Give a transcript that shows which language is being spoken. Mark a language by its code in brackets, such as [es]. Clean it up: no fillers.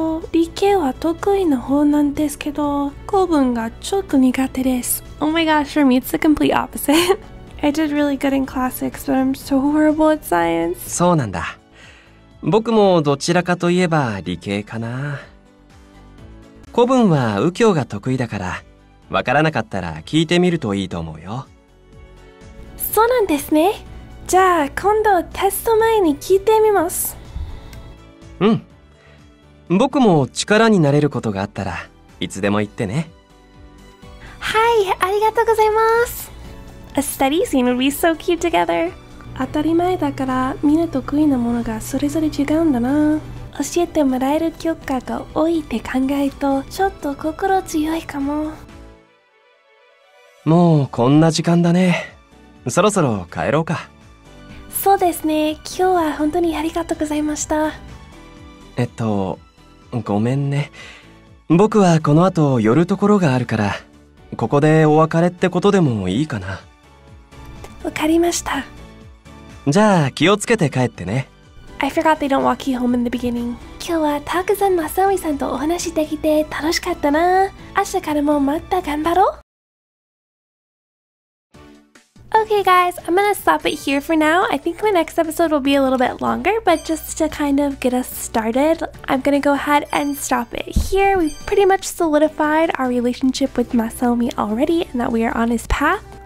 [ja] 理系は得意の方なんですけど、公文がちょっと苦手です。 [en] Oh my gosh, for me it's the complete opposite. I did really good in classics, but I'm so horrible at science. [ja] そうなんだ。僕もどちらかといえば理系かな。公文は右京が得意だから、わからなかったら聞いてみるといいと思うよ。そうなんですね。じゃあ今度テスト前に聞いてみます。うん。僕も力になれることがあったらいつでも言ってね。はい、ありがとうございます。 [en] A study scene would be so cute together. [ja] 当たり前だから、みんな得意なものがそれぞれ違うんだな。教えてもらえる教科が多いって考えるとちょっと心強いかも。もうこんな時間だね。そろそろ帰ろうか。そうですね。今日は本当にありがとうございました。ごめんね。僕はこの後寄るところがあるから、ここでお別れってことでもいいかな。わかりました。じゃあ気をつけて帰ってね。 [en] I forgot they don't walk you home in the beginning. [ja] 今日はたくさんマサミさんとお話できて楽しかったな。明日からもまた頑張ろう。 [en] Okay guys, I'm gonna stop it here for now. I think my next episode will be a little bit longer, but just to kind of get us started, I'm gonna go ahead and stop it here. We've pretty much solidified our relationship with Masaomi already and that we are on his path.